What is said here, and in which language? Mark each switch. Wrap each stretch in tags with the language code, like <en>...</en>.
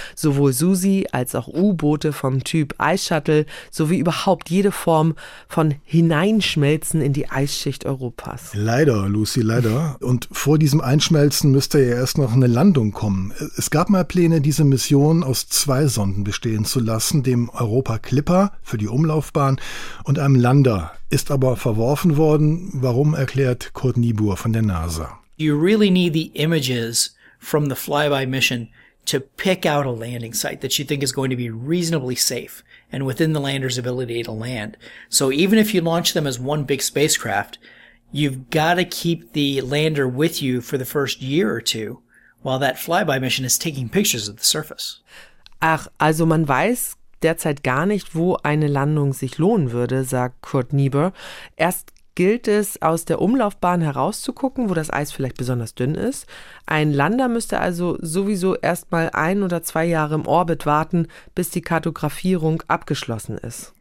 <de>Sowohl Susi als auch U-Boote vom Typ Ice Shuttle, sowie überhaupt jede Form von Hineinschmelzen in die Eisschicht Europas. Leider, Lucy, leider. Und vor diesem Einschmelzen müsste ja erst noch eine Landung kommen. Es gab mal Pläne, diese Mission aus 2 Sonden bestehen zu lassen, dem Europa Clipper für die Umlaufbahn und einem Lander. Ist aber verworfen worden. Warum, erklärt Kurt Niebuhr von der NASA.</de> <en>You really need the images from the flyby mission to pick out a landing site that you think is going to be reasonably safe and within the lander's ability to land. So even if you launch them as one big spacecraft, you've got to keep the lander with you for the first year or two while that flyby mission is taking pictures of the surface.</en> <de>Ach, also man weiß derzeit gar nicht, wo eine Landung sich lohnen würde, sagt Kurt Niebuhr. Erst gilt es, aus der Umlaufbahn herauszugucken, wo das Eis vielleicht besonders dünn ist. Ein Lander müsste also sowieso erst mal 1 oder 2 Jahre im Orbit warten, bis die Kartografierung abgeschlossen ist.</de>